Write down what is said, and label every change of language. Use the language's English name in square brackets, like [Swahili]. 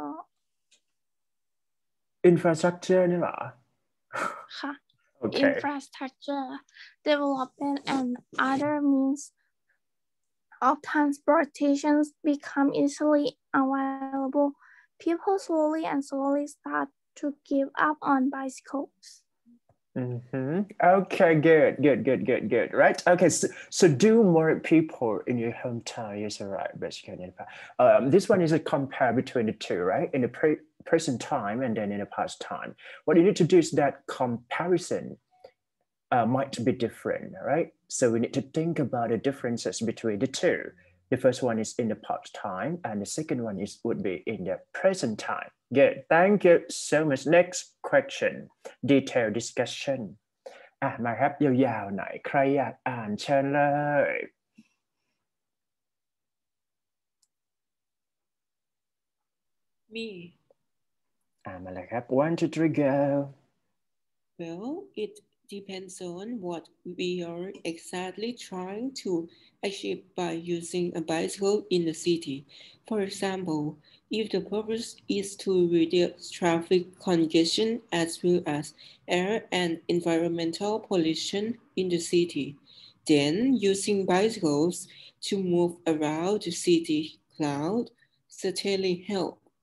[Thai] infrastructure นี่หรอ [English] ค่ะ infrastructure development and other means of transportation become easily available people slowly and slowly start to give up on bicycles Okay, good. Right? Okay, so do more people in your hometown use a ride, basically. This one is a compare between the two, right? In the present time and then in the past time. What you need to do is that comparison might be different, right? So we need to think about the differences between the two. The first one is in the past time, and the second one is would be in the present time. Good, thank you so much. Next question, detailed discussion. [Thai] มาครับยาวๆหน่อยใครอยากอ่านเชิญเลย [English] Me. [Thai] มาเลยครับ [English] 1, 2, 3, go. Well, it depends on what we are exactly trying to achieve by using a bicycle in the city. For example,If the purpose is to reduce traffic congestion as well as air and environmental pollution in the city, then using bicycles to move around the city cloud certainly helps.